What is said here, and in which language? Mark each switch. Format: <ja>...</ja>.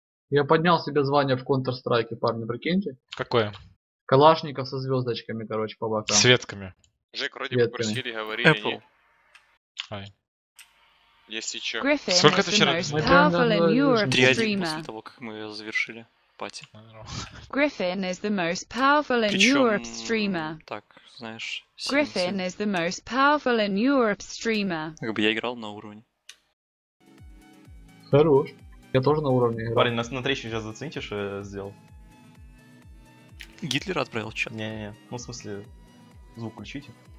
<ru>Я поднял себе звание в Counter-Strike, парни, прикиньте. Какое? Калашников со звездочками, короче, по бокам. Светками. Жек, вроде бы попросили, говорили.</ru> <en>Apple.</en> <ru>Ай. Есть еще. Griffin, сколько ты вчера? 3-1 после того, как мы завершили пати.</ru> <en>Griffin is the most powerful in Europe streamer.</en> <ru>Так, знаешь,</ru> <en>Griffin is the most powerful in Europe streamer.</en> <ru>Как бы я играл на уровне. Хорош. Я тоже на уровне играл. Парень, нас на трещину сейчас зацените, что я сделал. Гитлер отправил чат. Не-не-не. Ну, в смысле, звук включите.</ru>